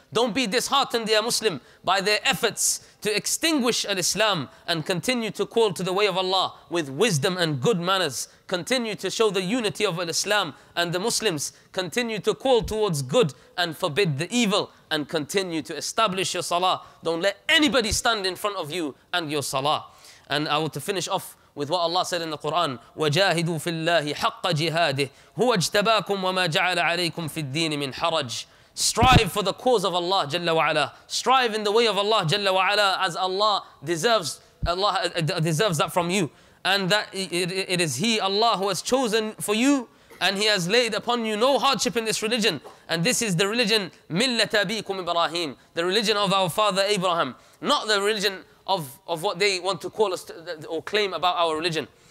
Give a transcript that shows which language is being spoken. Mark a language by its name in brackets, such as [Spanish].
[English] Don't be disheartened, dear Muslim, by their efforts to extinguish al-Islam and continue to call to the way of Allah with wisdom and good manners. Continue to show the unity of al-Islam and the Muslims. Continue to call towards good and forbid the evil, and continue to establish your salah. Don't let anybody stand in front of you and your salah. And I want to finish off with what Allah said in the Quran, [Arabic] وَجَاهِدُوا فِي اللَّهِ حَقَّ جِهَادِهِ هُوَ اجْتَبَاكُمْ وَمَا جَعَلَ عَلَيْكُمْ فِي الدِّينِ مِنْ حَرَجٍ. [English] Strive for the cause of Allah Jalla wa Ala. Strive in the way of Allah Jalla wa Ala, as Allah deserves that from you. And that it is He, Allah, who has chosen for you, and He has laid upon you no hardship in this religion. And this is the religion, [Arabic] مِلَّةَ بِيكُمْ إِبْرَاهِيمُ, [English] the religion of our father Abraham, not the religion of what they want to call us or claim about our religion.